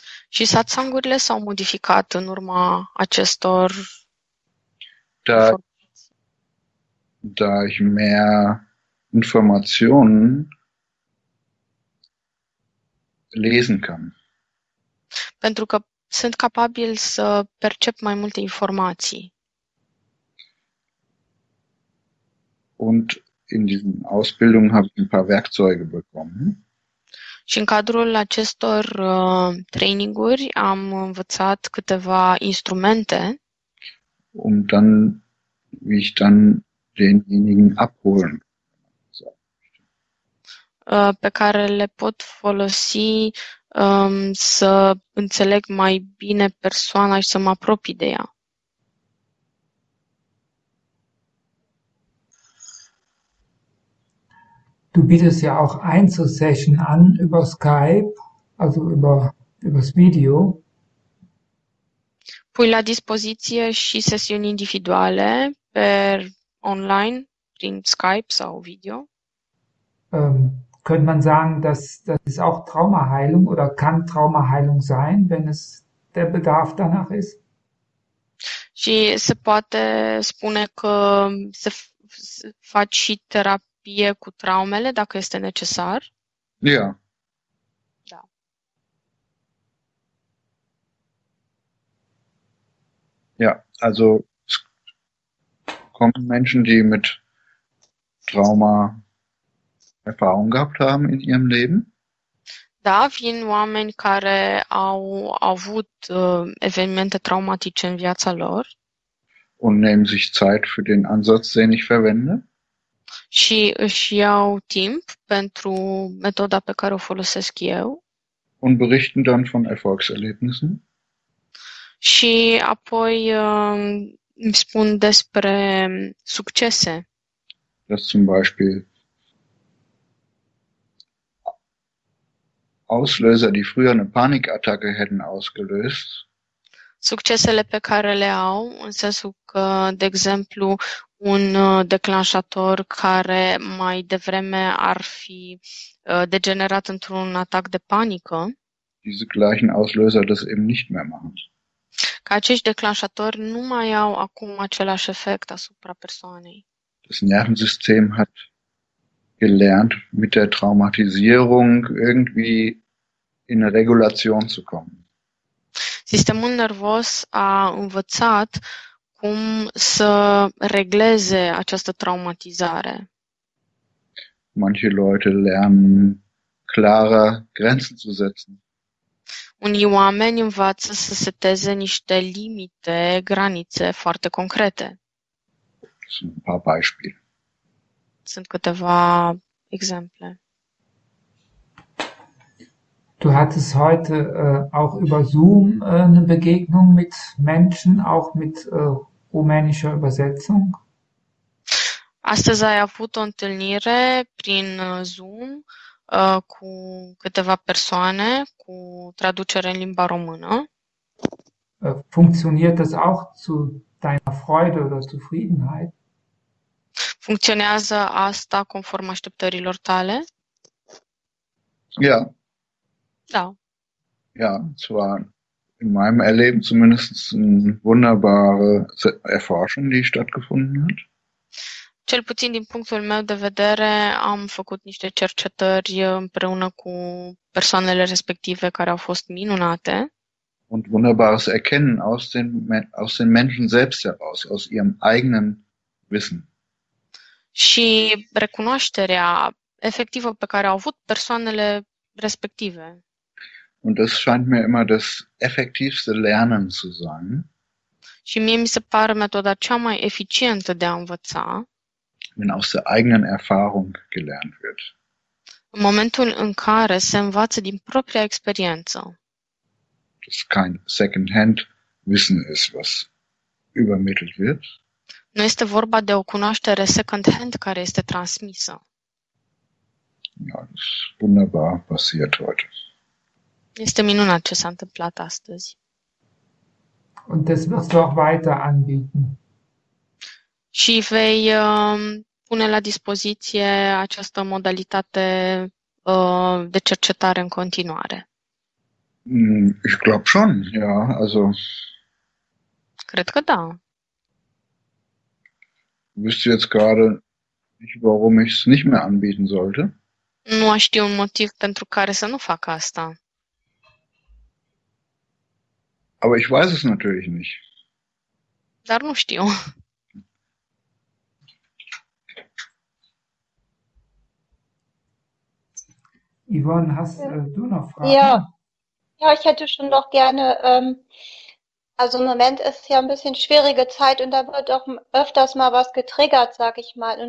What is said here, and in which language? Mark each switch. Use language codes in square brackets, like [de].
[ro] Și satsangurile s-au modificat în urma acestor Da informații. [de] ich mehr Informationen lesen kann. [ro] Pentru că sunt capabil să percep mai multe informații. [de] Und in diesen Ausbildungen habe ich ein paar Werkzeuge bekommen. [ro] Și în cadrul acestor traininguri am învățat câteva instrumente [de] Um dann, wie ich dann denjenigen abholen. [ro] pe care le pot folosi să înțeleg mai bine persoana și să mă apropii de ea. [de] Du bietest ja auch Einzelsession an über Skype, also übers Video. [ro] Pui la dispoziție și sesiuni individuale pe online, prin Skype sau video. [de] Könnte man sagen, dass das ist auch Traumaheilung oder kann Traumaheilung sein, wenn es der Bedarf danach ist? [ro] Și se poate spune că se faci și terapie cu traumele dacă este necesar. [de] Ja. Ja, also es kommen Menschen, die mit Trauma Erfahrung gehabt haben in ihrem Leben. [ro] Da, vin oameni care au avut evenimente traumatice în viața lor. [de] Und nehmen sich Zeit für den Ansatz, den ich verwende. [ro] Și își iau timp pentru metoda pe care o folosesc eu. [de] Und berichten dann von Erfolgserlebnissen. [ro] Și apoi îmi spun despre succese. [de] Dass zum Beispiel Auslöser, die früher eine Panikattacke hätten ausgelöst. [ro] Succesele pe care le au, în sensul că, de exemplu, un declanșator care mai devreme ar fi degenerat într-un atac de panică, [de] Diese gleichen Auslöser das eben nicht mehr machen. [ro] că acești declanșatori nu mai au acum același efect asupra persoanei. [de] Das Nervensystem hat gelernt, mit der Traumatisierung irgendwie in eine Regulation zu kommen. [ro] Sistemul nervos a învățat cum să regleze această traumatizare. [de] Manche Leute lernen, klarer Grenzen zu setzen. [ro] Unii oameni învață să seteze niște limite, granițe foarte concrete. Sunt [de] ein paar Beispiele. [ro] Sunt câteva exemple. [de] Du hattest heute auch über Zoom eine Begegnung mit Menschen, auch mit rumänischer Übersetzung. [ro] Astăzi ai avut o întâlnire prin Zoom, cu câteva persoane, cu traducere în limba română. [de] Funktioniert das auch zu deiner Freude oder Zufriedenheit? [ro] Funcționează asta conform așteptărilor tale? [de] Ja. [ro] Da. [de] Ja, es war in meinem Erleben zumindest eine wunderbare Erforschung, die stattgefunden hat. [ro] Cel puțin din punctul meu de vedere, am făcut niște cercetări împreună cu persoanele respective care au fost minunate. [de] Und wunderbares Erkennen aus den Menschen selbst heraus, aus ihrem eigenen Wissen. [ro] Și recunoașterea efectivă pe care au avut persoanele respective. [de] Und das scheint mir immer das effektivste Lernen zu sein. [ro] Și mie mi se pare metoda cea mai eficientă de a învăța. [de] wenn aus der eigenen Erfahrung gelernt wird. [ro] Momentul în care se învață din propria experiență. [de] Dass kein Second-Hand-Wissen ist, was übermittelt wird. [ro] Nu este vorba de o cunoaștere second-hand care este transmisă. [de] Ja, das ist wunderbar passiert heute. [ro] Este minunat ce s-a întâmplat astăzi. [de] Und das wirst du auch weiter anbieten. [ro] Și vei pune la dispoziție această modalitate de cercetare în continuare. [de] Ich glaube schon, ja, also. [ro] Cred că da. [de] Wüsste jetzt gerade nicht, warum ich es nicht mehr anbieten sollte. [ro] Nu aș ști un motiv pentru care să nu fac asta. [de] Aber ich weiß es natürlich nicht. [ro] Dar nu știu. [de] Yvonne, hast du noch Ja. Fragen? Ja, ich hätte schon noch gerne, also im Moment ist ja ein bisschen schwierige Zeit und da wird auch öfters mal was getriggert, sag ich mal.